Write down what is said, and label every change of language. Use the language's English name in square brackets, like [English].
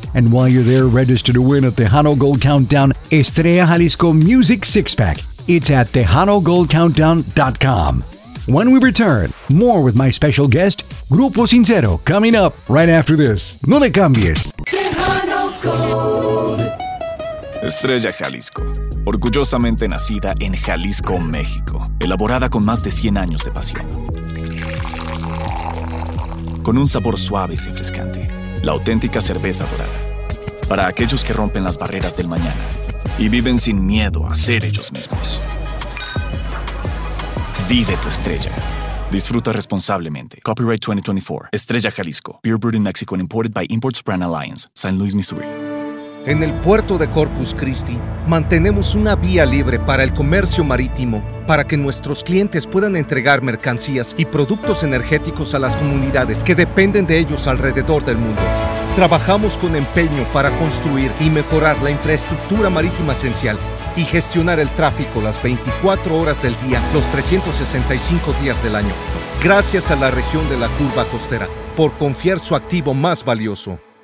[English] And while you're there, register to win a Tejano Gold Countdown Estrella Jalisco Music Six Pack. It's at TejanoGoldCountdown.com. When we return, more with my special guest, Grupo Sincero, coming up right after this. [Spanish] No le cambies. Tejano Gold. Estrella Jalisco, orgullosamente nacida en Jalisco, México, elaborada con más de 100 años de pasión. Con un sabor suave y refrescante, la auténtica cerveza dorada. Para aquellos que rompen las barreras del mañana y viven sin miedo a ser ellos mismos. Vive tu estrella. Disfruta responsablemente. Copyright 2024. Estrella Jalisco. [English] Beer brewed in Mexico and imported by Imports Brand Alliance. San Luis, Missouri. [Spanish] En el puerto de Corpus Christi, mantenemos una vía libre para el comercio marítimo, para que nuestros clientes puedan entregar mercancías y productos energéticos a las comunidades que dependen de ellos alrededor del mundo. Trabajamos con empeño para construir y mejorar la infraestructura marítima esencial y gestionar el tráfico las 24 horas del día, los 365 días del año. Gracias a la región de la Curva Costera por confiar su activo más valioso.